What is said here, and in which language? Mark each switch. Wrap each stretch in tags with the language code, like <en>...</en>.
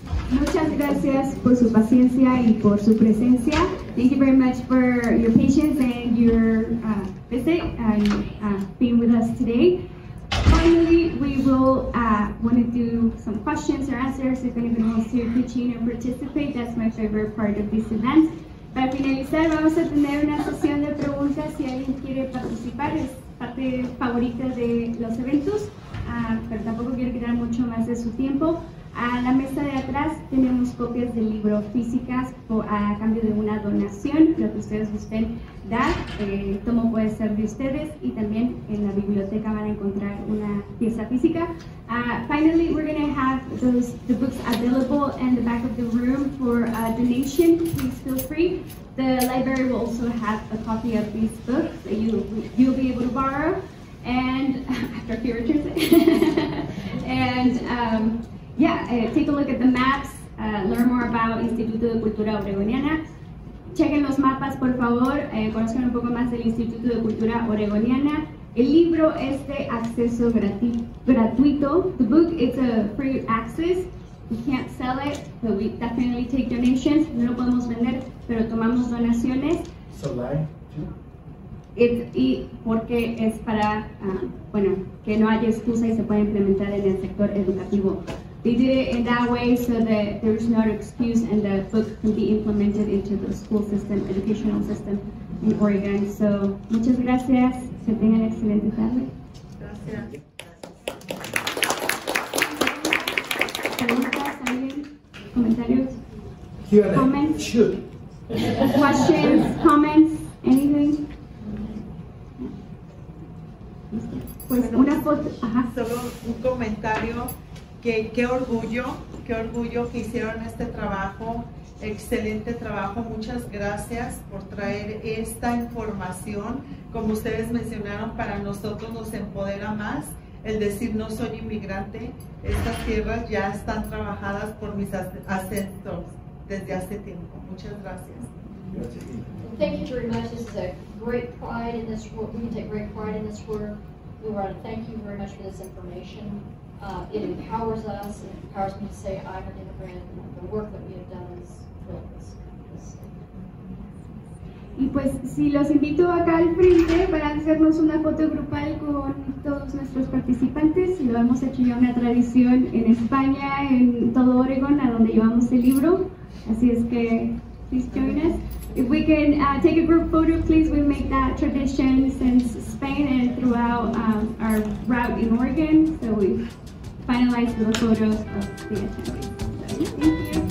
<es>Muchas gracias por su paciencia y por su presencia.</es> <en>Thank you very much for your patience and your visit and being with us today. Finally, we will want to do some questions or answers. If anyone wants to pitch in and participate, that's my favorite part of this event.</en> <es>Para finalizar, vamos a tener una sesión de preguntas. Si alguien quiere participar, es parte favorita de los eventos, pero tampoco quiero quitar mucho más de su tiempo. A la mesa de atrás tenemos copias del libro físicas a cambio de una donación, lo que ustedes gusten dar, tomo puede ser de ustedes, y también en la biblioteca van a encontrar una pieza física.</es> <en>Finally, we're going to have the books available in the back of the room for a donation. Please feel free. The library will also have a copy of these books that you'll be able to borrow. And after he returns it. And take a look at the maps, learn more about Instituto de Cultura Oregoniana.</en> <es>Chequen los mapas, por favor, conozcan un poco más del Instituto de Cultura Oregoniana. El libro es de acceso gratuito.</es> <en>The book is a free access. We can't sell it, but we definitely take donations. No lo podemos vender, pero tomamos donaciones. So why?</en> <es>Y porque es para, que no haya excusa y se pueda implementar en el sector educativo.</es> <en>They did it in that way so that there's no excuse and the book can be implemented into the school system, educational system in Oregon.</en> <es>So, muchas gracias. Que tengan excelente tarde. Gracias. ¿Preguntas, alguien? ¿Comentarios?</es> <en>Q&A. Comments? Sure. Questions? Comments? Anything?</en> <es>Pues una foto. Ajá. Solo un comentario. Qué orgullo que hicieron este trabajo, excelente trabajo. Muchas gracias por traer esta información. Como ustedes mencionaron, para nosotros nos empodera más el decir no soy inmigrante. Estas tierras ya están trabajadas por mis ancestros desde hace tiempo. Muchas gracias.</es> <en>Thank you very much. This is a great pride in this work. We take great pride in this work. We want to thank you very much for this information. It empowers us, and it empowers me to say I'm an immigrant. The work that we have done is built this country.</en> <es>Y pues, si los invito acá al frente para hacernos una foto grupal con todos nuestros participantes, lo hemos hecho ya una tradición en España, en todo Oregón, a donde llevamos el libro. Así es que,</es> <en>please join us. If we can take a group photo, please, we make that tradition since Spain and throughout our route in Oregon. So we finalize the photos of the attendees. Thank you.</en>